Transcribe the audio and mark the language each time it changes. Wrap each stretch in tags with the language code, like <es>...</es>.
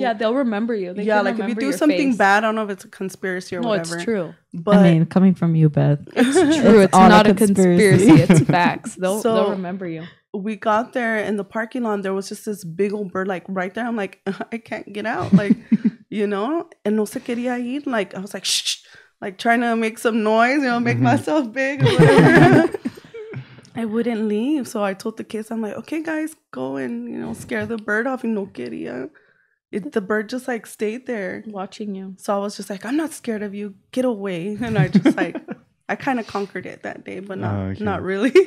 <en>Yeah, they'll remember you. They like, if you do something bad, I don't know if it's a conspiracy or whatever. No, it's true. But I mean, coming from you, Beth. It's true. It's not a conspiracy. It's facts. They'll remember you. We got there in the parking lot. There was just this big old bird, like, right there. I'm like, I can't get out. Like... You know, and</en> <es>no se quería ir.</es> <en>Like, I was like, shh, like trying to make some noise, you know, make myself big. I wouldn't leave. So I told the kids, I'm like, okay, guys, go and, you know, scare the bird off.</en> <es>No quería.</es> <en>The bird just like stayed there watching you. So I was just like, I'm not scared of you. Get away. And I just like, I kind of conquered it that day, but not really.</en>